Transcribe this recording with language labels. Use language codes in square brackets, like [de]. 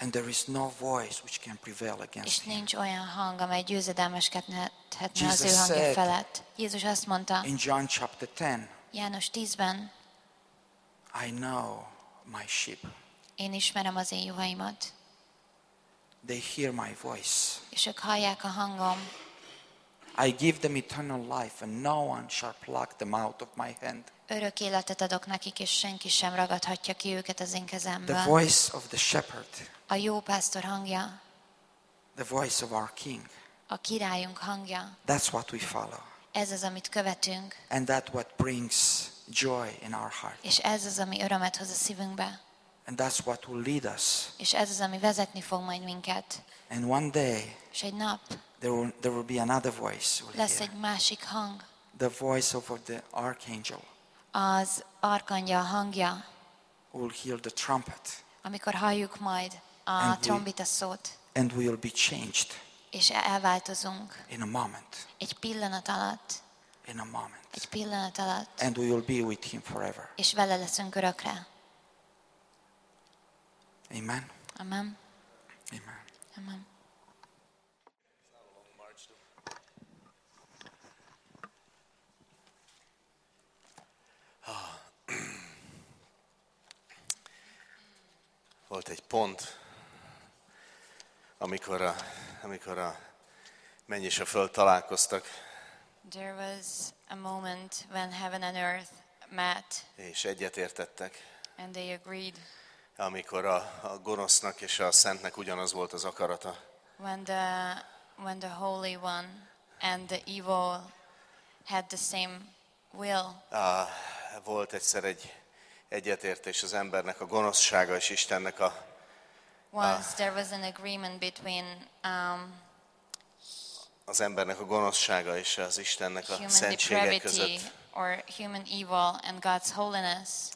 [en] And there is no voice which can prevail against [hu] him. És nincs olyan hang, amely győzedelmeskedhetne az ő hangja felett. Jézus azt mondta. [en] In John chapter 10. [hu] János 10-ben. [en] I know my sheep. [hu] Én ismerem az én juhaimat. [en] They hear my voice. [hu] És ők hallják a hangom. [en] I give them eternal life and no one shall pluck them out of my hand. [hu] Örök életet adok nekik, és senki sem ragadhatja ki őket az én kezemből. [en] The voice of the shepherd. [hu] A jó pásztor hangja. [en] The voice of our king. [hu] A királyunk hangja. [en] That's what we follow. [hu] Ez az, amit követünk. [en] And that what brings joy in our heart. [hu] És ez az, ami örömet hoz a szívünkbe. [en] And that's what will lead us. [hu] És ez az, ami vezetni fog majd minket. [en] And one day. [hu] És egy nap. [en] There will be another voice. [hu] Lesz egy másik hang. [en] The voice of the archangel. [hu] Az arkangyal hangja. [en] Will hear the trumpet. [hu] Amikor halljuk majd a trombita szót. [en] and we will be changed. [hu] És elváltozunk. [en] In a moment. [hu] Egy pillanat alatt. [en] In a moment. [hu] Egy pillanat alatt. [en] And we will be with him forever. [hu] És vele leszünk örökre. [en] Amen. [hu] Amen. [en] Amen. [hu] Amen. Volt egy pont, amikor a menny és a föld találkoztak. [en] There was a moment when heaven and earth met. [hu] És egyetértettek. [en] And they agreed. [hu] Amikor a gonosznak és a szentnek ugyanaz volt az akarata. [en] When the holy one and the evil had the same will. [hu] Volt egyszer egy egyetértés az embernek a gonoszsága és Istennek a [en] Once there was an agreement between [hu] az embernek a gonoszsága és az Istennek a szentsége között. [en] Or human evil and God's holiness.